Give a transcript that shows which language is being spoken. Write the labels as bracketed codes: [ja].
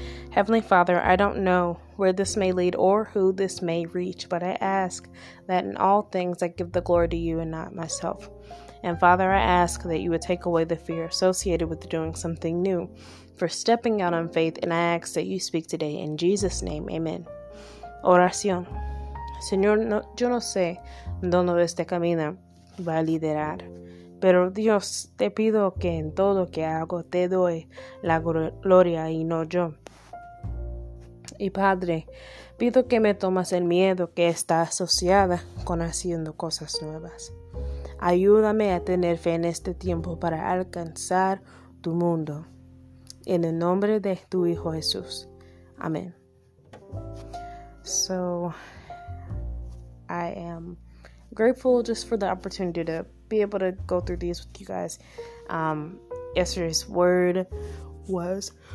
[en] Heavenly Father, I don't know where this may lead or who this may reach, but I ask that in all things I give the glory to you and not myself. And Father, I ask that you would take away the fear associated with doing something new, for stepping out on faith, and I ask that you speak today in Jesus' name. Amen. [es] Oración. Señor, yo no sé dónde este camino va a liderar, pero Dios, te pido que en todo que hago te doy la gloria y no yo. Y Padre, pido que me tomas el miedo que está asociada con haciendo cosas nuevas. Ayúdame a tener fe en este tiempo para alcanzar tu mundo. En el nombre de tu Hijo Jesús. Amén. [en] So, I am grateful just for the opportunity to be able to go through these with you guys. Yesterday's word was...